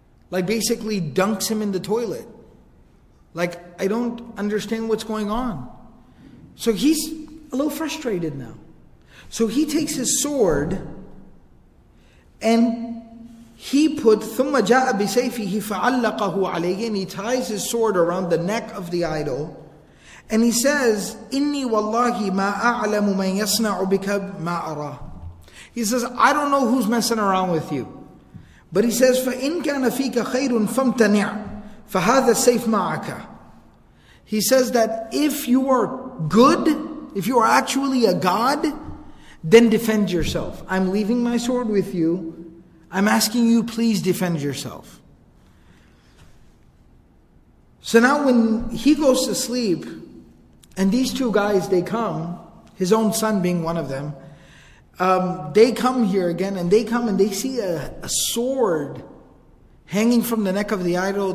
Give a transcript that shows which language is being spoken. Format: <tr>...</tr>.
<en>Like, basically dunks him in the toilet. Like, I don't understand what's going on. So he's a little frustrated now. So he takes his sword and he put</en> <ar>ثُمَّ جَاءَ بِسَيْفِهِ فَعَلَّقَهُ عَلَيْهِ,</ar> <en>and he ties his sword around the neck of the idol. And he says,</en> <ar>إِنِّي وَاللَّهِ مَا أَعْلَمُ مَنْ يَصْنَعُ بِكَ مَا أَرَى.</ar> <en>He says, I don't know who's messing around with you. But he says,</en> <ar>فَإِنْ كَانَ فِيكَ خَيْرٌ فَمْتَنِعْ فَهَذَا السَّيْفُ مَعَكَ.</ar> <en>He says that if you are good, if you are actually a god, then defend yourself. I'm leaving my sword with you. I'm asking you, please defend yourself. So now when he goes to sleep, and these two guys, they come, his own son being one of them, they come here again, and they come and they see a sword hanging from the neck of the idol.</en>